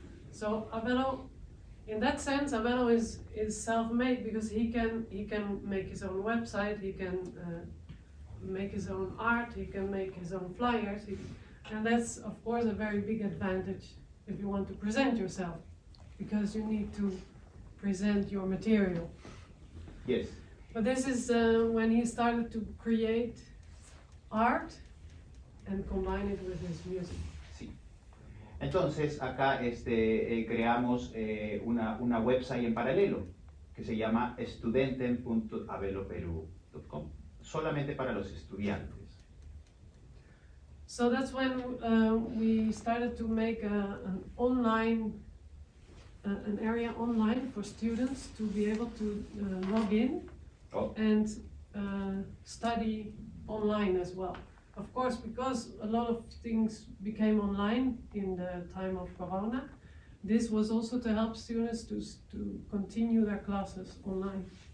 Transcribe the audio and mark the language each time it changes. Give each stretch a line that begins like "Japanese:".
English: So Abelo, in that sense, Abelo is self-made, because he can make his own website, he can make his own art, he can make his own flyers, and that's of course a very big advantage if you want to present yourself, because you need to present your material. Yes. But this is when he started to create art and combine it with his music.
Spanish: Entonces, acá creamos una website en paralelo, que que se llama studenten.abeloperu.com, solamente para los estudiantes.
English: So that's when we started to make an online, an area online for students to be able to log in and study online as well. Of course, because a lot of things became online in the time of Corona, this was also to help students to continue their classes online.